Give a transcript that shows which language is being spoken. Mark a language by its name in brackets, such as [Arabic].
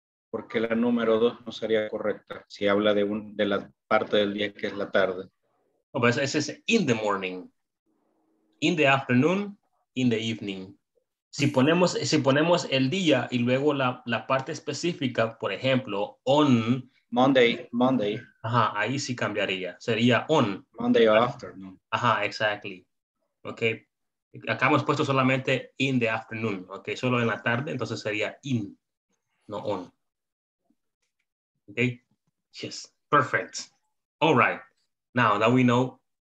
[Spanish] ¿Por qué la número dos no sería correcta si habla de la parte del día que es la tarde? [English] Oh, but it says in the morning, in the afternoon, in the evening. [Spanish] Si ponemos el día y luego la parte específica, por ejemplo, on [English] Monday. [Spanish] Ajá, ahí sí cambiaría. Sería on [English] Monday or afternoon. Ajá, exactly. Okay. [Spanish] Acá hemos puesto solamente [English] in the afternoon, okay, [Spanish] solo en la tarde, entonces sería [English] in, no on. Okay? Yes. Perfect. All right. Now that we know.